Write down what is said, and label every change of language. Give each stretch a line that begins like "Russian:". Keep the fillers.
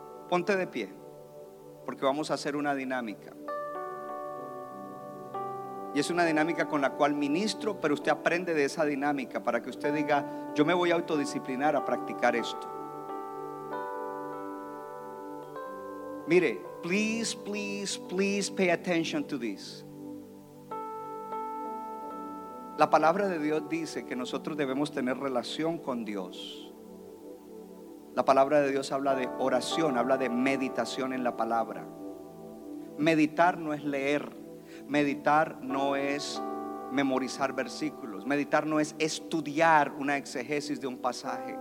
Spanish: Ponte de pie porque vamos a hacer una dinámica. Y es una dinámica con la cual ministro, pero usted aprende de esa dinámica para que usted diga, yo me voy a autodisciplinar a practicar esto. Mire,
English: please, please, please pay attention to this.
Spanish: La palabra de Dios dice que nosotros debemos tener relación con Dios. La palabra de Dios habla de oración, habla de meditación en la palabra. Meditar no es leer, meditar no es memorizar versículos, meditar no es estudiar una exegesis de un pasaje.